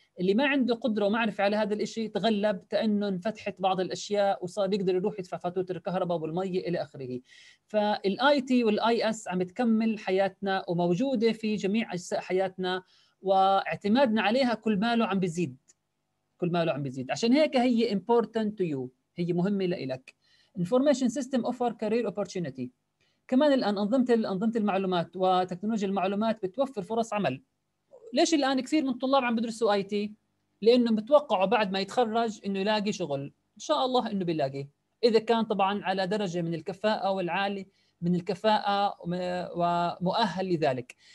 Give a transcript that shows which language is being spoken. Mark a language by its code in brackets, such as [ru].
[ar] اللي ما عنده قدره ومعرفه على هذا الشيء تغلب، تأنه انفتحت بعض الاشياء وصار يقدر يروح يدفع فاتوره الكهرباء والمي الى اخره. فالاي تي والاي اس عم تكمل حياتنا وموجوده في جميع اجزاء حياتنا، واعتمادنا عليها كل ماله عم بيزيد، كل ماله عم بيزيد. عشان هيك هي [en] important to you، [ar] هي مهمه لإلك. [en] information system offer career opportunity. [ar] كمان الان انظمه المعلومات وتكنولوجيا المعلومات بتوفر فرص عمل. ليش الآن كثير من الطلاب عم بدرسوا آي تي؟ لأنه بتوقعوا بعد ما يتخرج إنه يلاقي شغل، إن شاء الله إنه بيلاقي، إذا كان طبعاً على درجة من الكفاءة والعالي من الكفاءة ومؤهل لذلك.